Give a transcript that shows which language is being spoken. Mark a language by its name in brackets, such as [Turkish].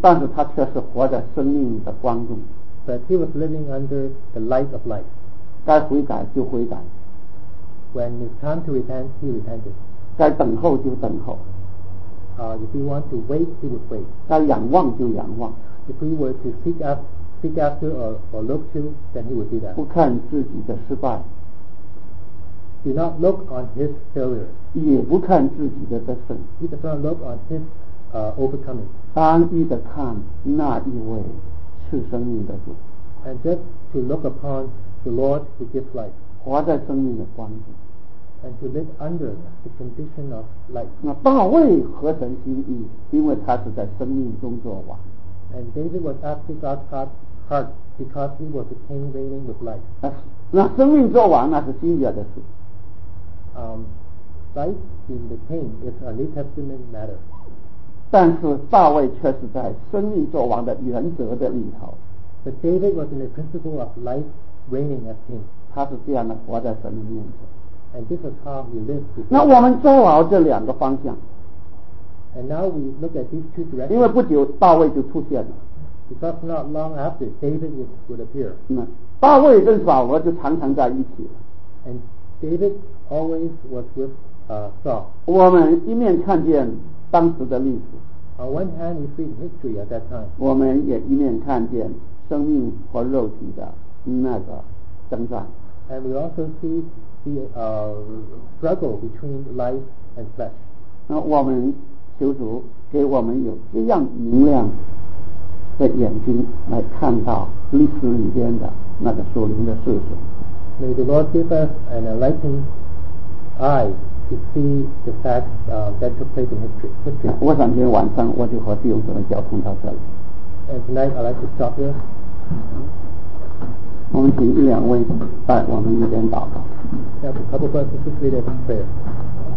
[Chinese] 但是他却是活在生命的光中。 [English] But he was living under the light of life. [Chinese] 该悔改就悔改。 [English] When it's time to repent, he repented. [Chinese] 该等候就等候。 [English] If he wants to wait, he would wait. [Chinese] 该仰望就仰望。 [English] If he were to seek after or look to, then he would do that. [Chinese] 不看自己的失败。 [English] Do not look on his failure. [Chinese] 也不看自己的得胜。 [English] He does not look on his overcoming. [Chinese] 单一的看那一位赐生命的主。 [English] And just to look upon. The Lord who gives life. [Chinese] 活在生命的光景。 [English] And to live under the condition of life. [Chinese] 那大卫合神心意，因为他是在生命中作王。 [English] And David was after God's heart because he was a king reigning with life. [Chinese] 那生命作王那是新约的事。 [English] Life being the king is a New Testament matter. [Chinese] 但是大卫却是在生命作王的原则的里头。 [English] But David was in the principle of life. Reigning as king. [Chinese] 他是这样的活在神的面前。 [English] And this is how he lived. [Chinese] 那我们抓牢这两个方向。 [English] And now we look at these two directions. [Chinese] 因为不久大卫就出现了。 [English] Because not long after David would appear. [Chinese] 大卫跟扫罗就常常在一起。 [English] And David always was with Saul. [Chinese] 我们一面看见当时的历史。 [English] On one hand we see history at that time. [Chinese] 我们也一面看见生命和肉体的。那个征战。 [English] And we also see the struggle between life and flesh. [Chinese] 那我们求主给我们有这样明亮的眼睛来看到历史里边的那个属灵的事实。 [English] May the Lord give us an enlightened eye to see the facts that took place in history. [Chinese] 我想今天晚上我就和弟兄姊妹交通到这里。 [English] And tonight I'd like to stop here. [Chinese] 我们请一两位带我们一边祷告。 [English] Yeah, a couple of us, this is a great prayer.